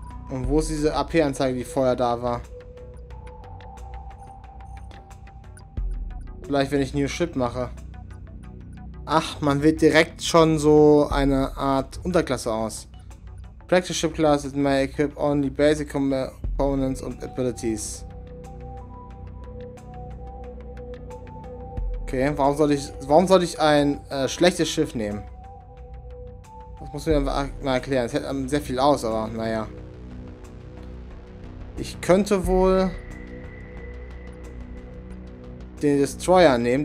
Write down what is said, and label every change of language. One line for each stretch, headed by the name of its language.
German: Und wo ist diese AP-Anzeige, die vorher da war? Vielleicht, wenn ich New Ship mache. Ach, man wählt direkt schon so eine Art Unterklasse aus.
English: Practice Ship Class is my equip only basic components and abilities.
German: Okay, warum soll ich ein schlechtes Schiff nehmen? Das muss ich mir mal erklären. Es hält sehr viel aus, aber naja. Ich könnte wohl den Destroyer nehmen.